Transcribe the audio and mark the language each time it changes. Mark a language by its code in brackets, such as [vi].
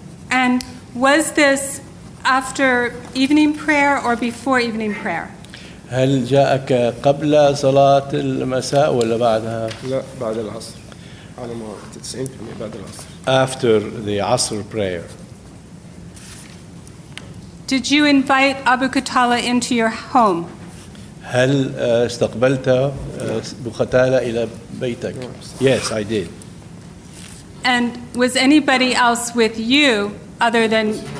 [en] And was this after evening prayer or before evening prayer? [ar] هل جاءك قبل صلاة المساء ولا بعدها؟ لا بعد العصر. على ما تتسعين بعد العصر. [en] After the عصر prayer. Did you invite Abu Qatala into your home? [ar] هل استقبلت أبو قتالة إلى بيتك؟ [en] Yes, I did. And was anybody else with you other than...